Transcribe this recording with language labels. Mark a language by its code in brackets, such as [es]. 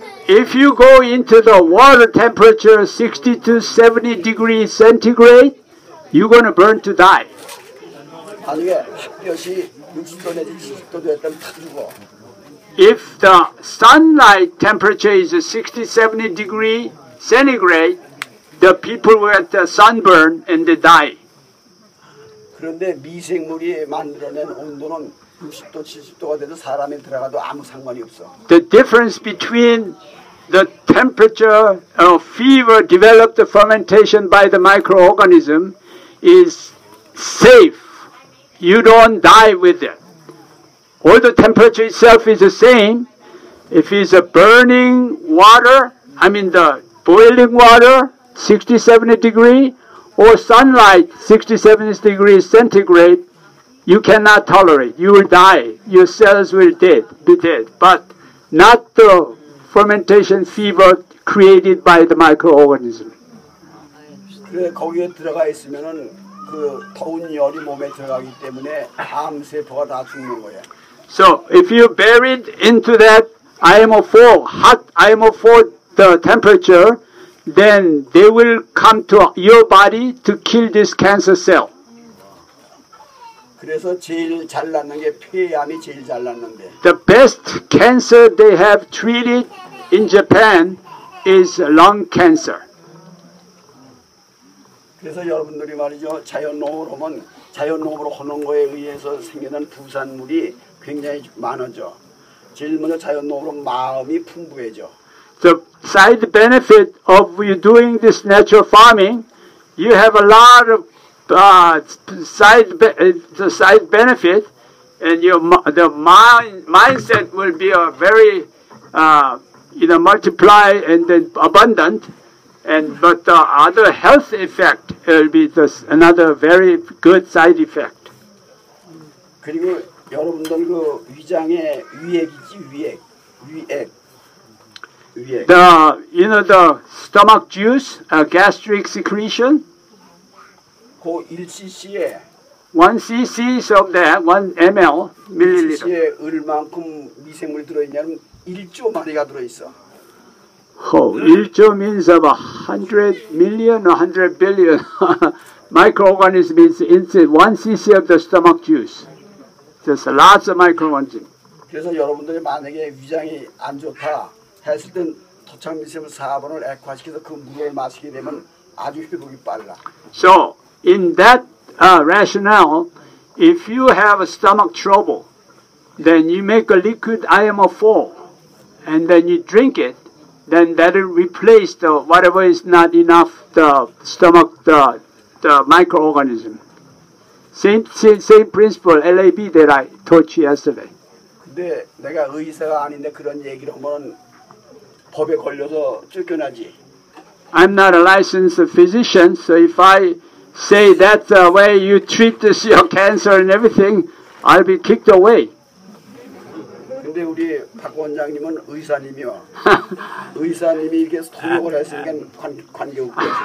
[en] If you go into the water temperature 60 to 70 degrees centigrade, you're going to burn to die. [ko] 만약에 햇볕이 60도 내지 70도 됐다면 다 죽어. [en] If the sunlight temperature is 60, 70 degrees centigrade, the people will get sunburn and they die. [ko] 그런데 미생물이 만들어낸 온도는 60도, 70도가 돼도 사람이 들어가도 아무 상관이 없어. [en] The difference between the temperature or fever developed the fermentation by the microorganism is safe. You don't die with it. All the temperature itself is the same. If it's a burning water, I mean the boiling water, 60, 70 degree, or sunlight, 60, 70 degrees centigrade, you cannot tolerate. You will die. Your cells will be dead. But not the fermentation fever created by the microorganism. [ko] 그래, 거기에 들어가 있으면은 그 더운 열이 몸에 들어가기 때문에 암세포가 다 죽는 거야. [en] So, if you bury it into that IMO4, hot IMO4 the temperature, then they will come to your body to kill this cancer cell. [ko] 그래서 제일 잘 낫는 게 폐암이 제일 잘 낫는데. [en] The best cancer they have treated in Japan is lung cancer. [ko] 그래서 여러분들이 말이죠, 자연농으로만 자연농으로 하는 거에 의해서 생기는 부산물이 [en] The side benefit of you doing this natural farming, you have a lot of side benefit, and the mindset will be a very multiply and then abundant, But the other health effect will be this another very good side effect. [ko] 그리고 여러분들 그 위장의 위액이지 위액 위액 위액. [en] The you know the stomach juice, gastric secretion. [ko] 그 1cc에 [en] One cc of that, one ml, milliliter. [ko] 1cc에 얼만큼 미생물 들어있냐면 1조 마리가 들어있어. [en] Oh, 1조 means about 100 million or 100 billion microorganisms inside 1 cc of the stomach juice. There's lots of microorganisms. [ko] 그래서 여러분들이 만약에 위장이 안 좋다 했을 땐 토착미생물 4번을 액화시켜서 그 물을 마시게 되면 아주 회복이 빨라. [en] So, in that rationale, if you have a stomach trouble, then you make a liquid IMO4 and then you drink it, then that will replace the whatever is not enough the stomach the microorganism. Same principle LAB that I taught you yesterday. [ko] 근데 내가 의사가 아닌데 그런 얘기를 하면 법에 걸려서 쫓겨나지. [en] I'm not a licensed physician, so if I say that the way you treat this your cancer and everything, I'll be kicked away. [ko] 근데 우리 박 원장님은 의사님이요. 의사님이 이렇게 통역을 했으니까 관계 없고.